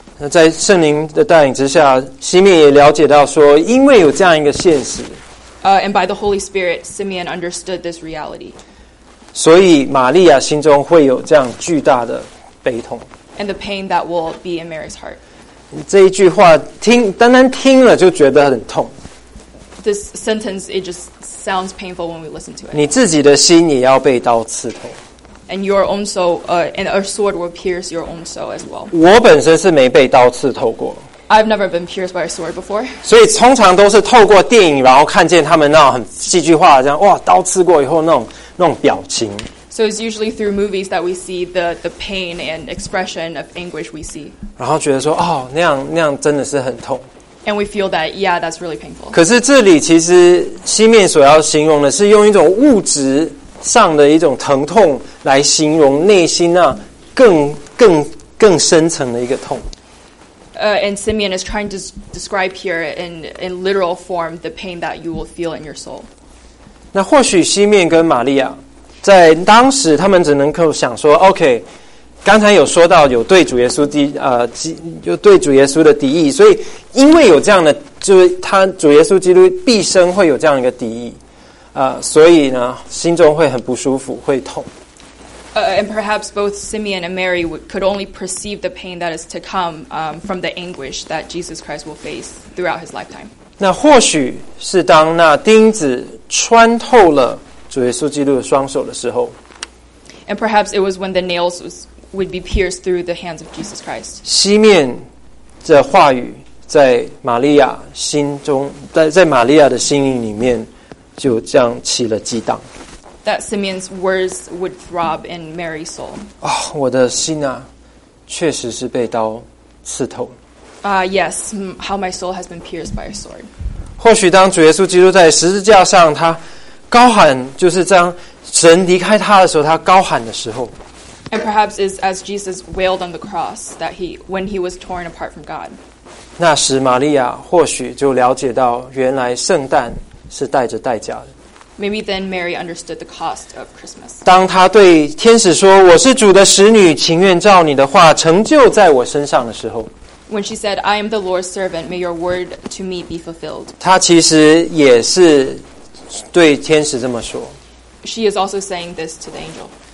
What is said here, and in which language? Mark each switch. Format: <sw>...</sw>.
<zh>在圣灵的带领之下，西面也了解到说，因为有这样一个现实。</zh> <en>And by the Holy Spirit, Simeon understood this reality.</en> <zh>所以玛利亚心中会有这样巨大的悲痛。</zh> <en>And the pain that will be in Mary's heart.</en> <zh>这一句话听，单单听了就觉得很痛。</zh> <en>This sentence, it just sounds painful when we listen to it.</en> <zh>你自己的心也要被刀刺痛。</zh> <en>And your own soul, and a sword will pierce your own soul as well.</en> <zh>我本身是没被刀刺透过。</zh> <en>I've never been pierced by a sword before.</en> <zh>所以通常都是透过电影，然后看见他们那种很戏剧化的这样，哇，刀刺过以后那种表情。</zh> <en>So it's usually through movies that we see the pain and expression of anguish we see.</en> <zh>然后觉得说，哦，那样真的是很痛。</zh> <en>And we feel that, yeah, that's really painful.</en> <zh>可是这里其实西面所要形容的是用一种物质上的一种疼痛来形容内心那更深层的一个痛。</zh> <en>And Simeon is trying to describe here in literal form the pain that you will feel in your soul.</en> <zh>那或许西面跟玛利亚在当时他们只能够想说 OK， 刚才有说到有对主耶稣的有对主耶稣的敌意，所以因为有这样的，就他主耶稣基督毕生会有这样一个敌意，所以呢心中会很不舒服，会痛。</zh> <en>And perhaps both Simeon and Mary could only perceive the pain that is to come from the anguish that Jesus Christ will face throughout his lifetime.</en> <zh>那或许是当那钉子穿透了主耶稣基督的双手的时候。</zh> <en>And perhaps it was when the nails would be pierced through the hands of Jesus Christ.</en> <zh>西面的话语在玛利亚心中，在玛利亚的心里面就这样起了激荡。</zh> <en>That Simeon's words would throb in Mary's soul.</en> <zh>Oh, 我的心啊，确实是被刀刺透。</zh> <en>Yes, how my soul has been pierced by a sword.</en> <zh>或许当主耶稣基督在十字架上，他高喊，就是这样神离开他的时候，他高喊的时候。</zh> <en>And perhaps it's as Jesus wailed on the cross that when he was torn apart from God.</en> <zh>那时玛利亚或许就了解到，原来圣诞是带着代价的。</zh> <en>Maybe then Mary understood the cost of Christmas.</en> <zh>当他对天使说，我是主的使女，情愿照你的话成就在我身上的时候。</zh> <en>When she said, I am the Lord's servant, may your word to me be fulfilled.</en> <zh>他其实也是对天使这么说。</zh> <en>She is also saying this to the angel.</en>